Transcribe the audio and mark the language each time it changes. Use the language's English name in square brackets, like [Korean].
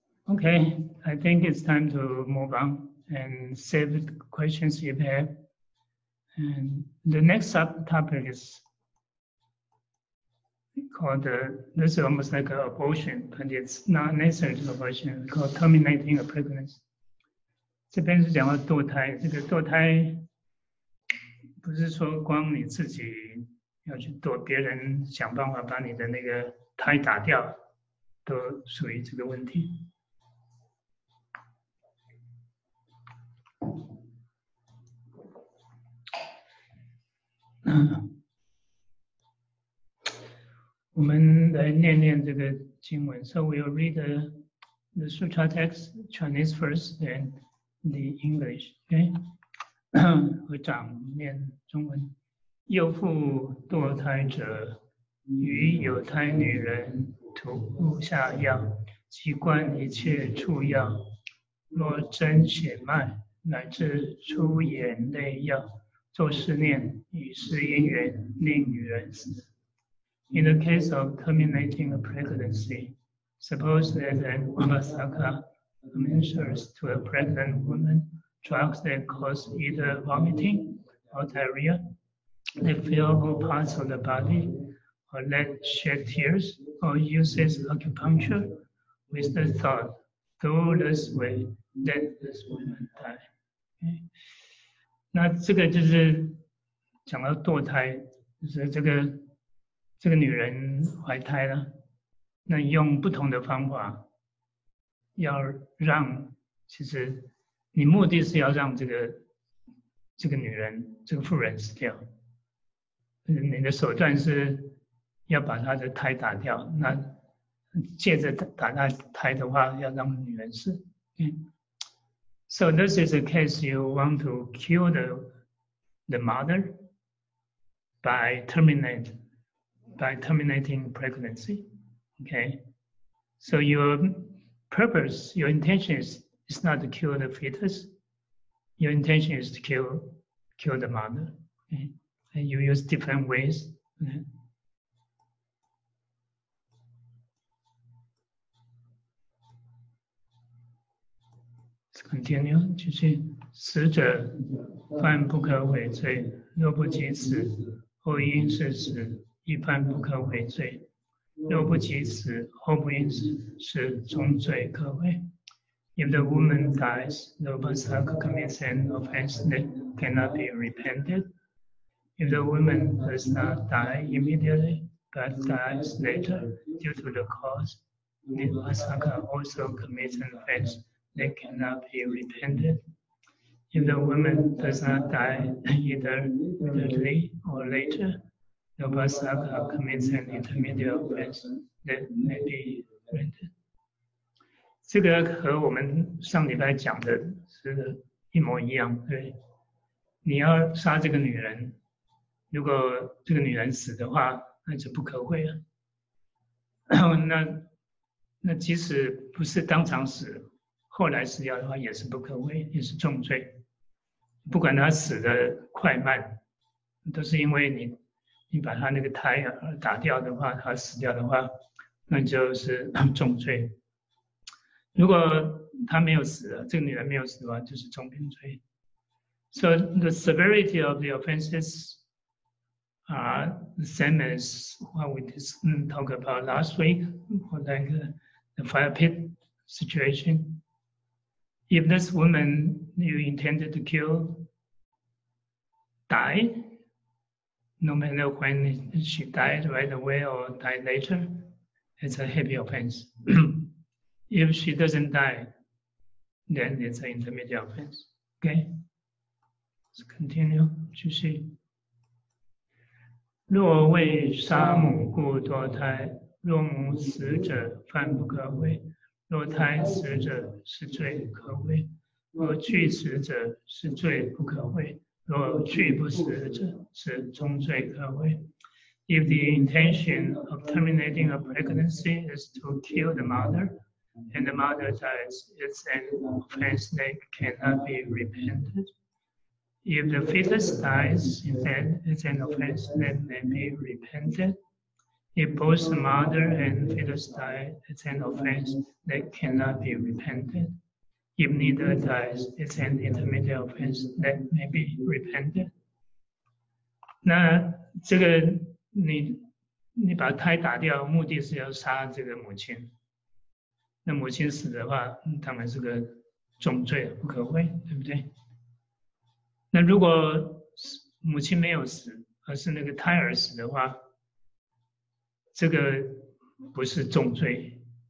[English] Okay, I think it's time to move on and save the questions you have. And the next subtopic is called, this is almost like an abortion, but it's not necessarily an abortion, it's called terminating a pregnancy. [Chinese] 这边是讲到堕胎，这个堕胎不是说光你自己要去堕，别人想办法把你的那个胎打掉，都属于这个问题。我们来念念这个经文。 [English] So we'll read the sutra text, Chinese first, then the English, okay? [Chinese] 和长念中文。又复堕胎者，与有胎女人涂下药，即观一切畜药，若真血脉，乃至出眼泪药，作是念，以是因缘，令女人死。 [English] In the case of terminating a pregnancy, suppose that an upasaka administers to a pregnant woman drugs that cause either vomiting or diarrhea, they fill all parts of the body, or let shed tears, or uses acupuncture with the thought, through this way, let this woman die. Okay. [Chinese] 那这个就是讲到堕胎，就是这个女人怀胎了，那用不同的方法要让，其实你目的是要让这个女人，这个妇人死掉，你的手段是要把她的胎打掉，那借着打她胎的话要让女人死。 [English] So this is a case you want to kill the mother by terminating pregnancy, okay? So your purpose, your intention is not to kill the fetus, your intention is to kill the mother, okay? And you use different ways, okay? Let's continue, [Chinese] 继续。死者犯不可悔罪，若不及死，后因是死。一般不可悔罪，若不及死，后不应死，是重罪可悔。 [English] If the woman dies, the upasaka commits an offense that cannot be repented. If the woman does not die immediately, but dies later due to the cause, the upasaka also commits an offense that cannot be repented. If the woman does not die either immediately or later,The upasaka commits an intermediate offense that may be rendered. [Chinese] 这个和我们上礼拜讲的是一模一样，对。你要杀这个女人，如果这个女人死的话，那就不可悔了。那即使不是当场死，后来死掉的话，也是不可悔，也是重罪。不管她死的快慢，都是因为你把他那个胎打掉的话，他死掉的话，那就是重罪。如果他没有死，这个女人没有死的话，就是重病罪。 [English] So the severity of the offenses are the same as what we talked about last week, or like the fire pit situation. If this woman you intended to kill died,No matter when she died right away or died later, it's a heavy offense. If she doesn't die, then it's an intermediate offense. Okay? Let's continue. [Chinese] 继续。若为杀母故堕胎，若母死者犯不可悔，若胎死者是罪可悔，若俱死者是罪不可悔。若俱不死者，是重罪可悔。 [English] If the intention of terminating a pregnancy is to kill the mother, and the mother dies, it's an offense that cannot be repented. If the fetus dies, then it's an offense that may be repented. If both the mother and fetus die, it's an offense that cannot be repented. If neither dies, it's an intermediate offense that may be repented. [Chinese] 那这个你把胎打掉，目的是要杀这个母亲。那母亲死的话，当然是个重罪，不可悔，对不对？那如果母亲没有死，而是那个胎儿死的话，这个不是重罪，